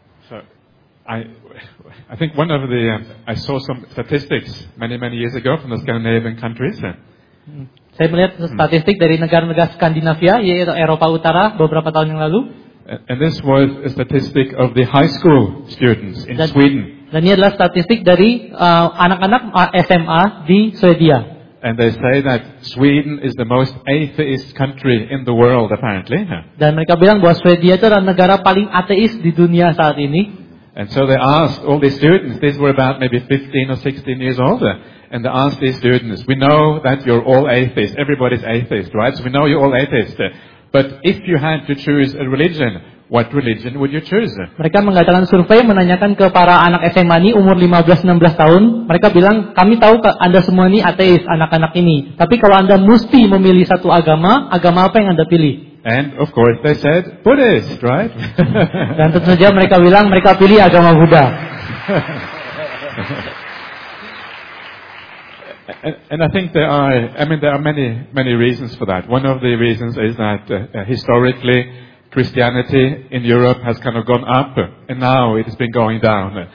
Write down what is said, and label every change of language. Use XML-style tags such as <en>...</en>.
<en>So, I think one of the, I saw some statistics many years ago from the Scandinavian countries.</en> <id>Saya melihat statistik dari negara-negara Skandinavia, yaitu Eropa Utara beberapa tahun yang lalu.</id> <en>And this was a statistic of the high school students in Sweden.</en> <id>Dan ini adalah statistik dari anak-anak SMA di Swedia.</id> <en>And they say that Sweden is the most atheist country in the world, apparently.</en> <id>Dan mereka bilang bahwa Swedia itu adalah negara paling ateis di dunia saat ini.</id> <en>And so they asked all these students. These were about maybe 15 or 16 years older. And they asked these students, "We know that you're all atheists. Everybody's atheist, right? So we know you're all atheists." But if you had to choose a religion, what religion would you choose?</en> <id>Mereka mengadakan survei menanyakan ke para anak SMA ini umur 15-16 tahun. Mereka bilang, kami tahu Anda semua ini ateis, anak-anak ini. Tapi kalau Anda mesti memilih satu agama, agama apa yang Anda pilih?</id> <en>And of course they said, Buddhist, right?</en> <id>Dan tentu saja mereka bilang, mereka pilih agama Buddha.</id> <en>And I think there are many reasons for that. One of the reasons is that historically Christianity in Europe has kind of gone up and now it has been going down.</en>